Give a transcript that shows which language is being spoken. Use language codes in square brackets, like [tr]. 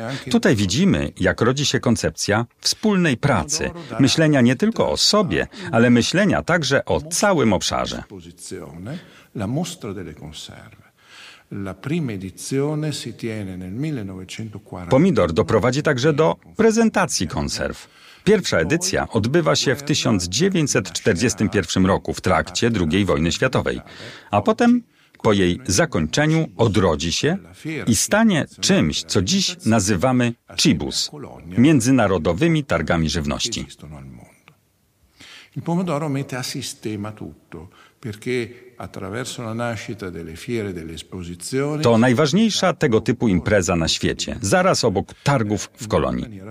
[pl] Tutaj widzimy, jak rodzi się koncepcja wspólnej pracy, myślenia nie tylko o sobie, ale myślenia także o całym obszarze. [it] La mostra delle conserve. La prima edizione si tiene nel 1940. [pl] Pomidor doprowadzi także do prezentacji konserw. Pierwsza edycja odbywa się w 1941 roku w trakcie II wojny światowej, a potem po jej zakończeniu odrodzi się i stanie czymś, co dziś nazywamy CIBUS, międzynarodowymi targami żywności. [it] Il pomodoro mette a sistema tutto, perché attraverso la nascita delle fiere, delle esposizioni. [pl] To najważniejsza tego typu impreza na świecie, zaraz obok targów w Kolonii.